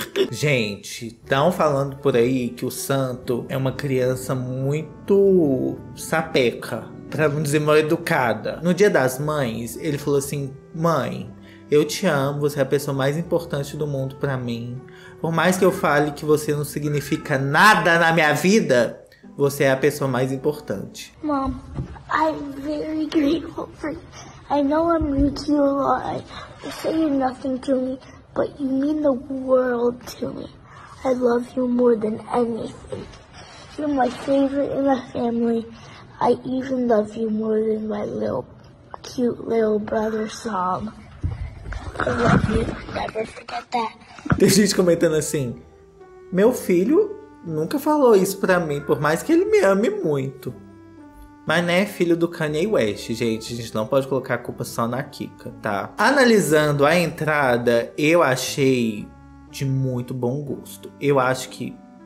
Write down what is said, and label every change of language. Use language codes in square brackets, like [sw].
[pt] Gente, estão falando por aí que o Santo é uma criança muito sapeca, pra não dizer mal educada. No Dia das Mães, ele falou assim: mãe, eu te amo, você é a pessoa mais importante do mundo pra mim. Por mais que eu fale que você não significa nada na minha vida, você é a pessoa mais importante. [en] Mom, I'm very grateful for you. I know I'm rude to you a lot. You say you're nothing to me, but you mean the world to me. I love you more than anything. You're my favorite in the family. I even love you more than my little, cute little brother, Sam. I love you. Never forget that. [pt] Tem gente comentando assim, meu filho nunca falou isso pra mim, por mais que ele me ame muito. Mas, né, filho do Kanye West, gente. A gente não pode colocar a culpa só na Kika, tá? Analisando a entrada, eu achei de muito bom gosto. Eu acho que